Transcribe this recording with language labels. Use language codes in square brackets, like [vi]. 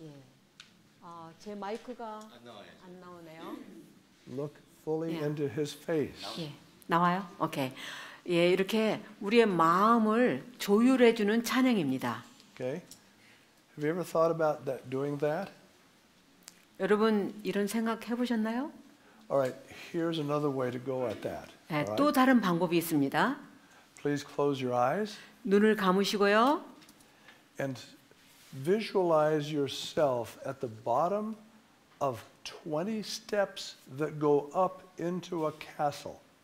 [ko] 예. 아, 제 마이크가 안 나오네요. [en] Look fully 예. into his face. [ko] 예. 나와요? 오케이. 예, 이렇게 우리의 마음을 조율해 주는 찬양입니다. [en] Okay. Have you ever thought about that doing that? [ko] 여러분 이런 생각 해보셨나요? [en] All right, here's another way to go at that. [ko] 네, 또 다른 방법이 있습니다. [en] Please close your eyes. [ko] 눈을 감으시고요. [en] And visualize yourself at the bottom of 20 steps that go up into a castle.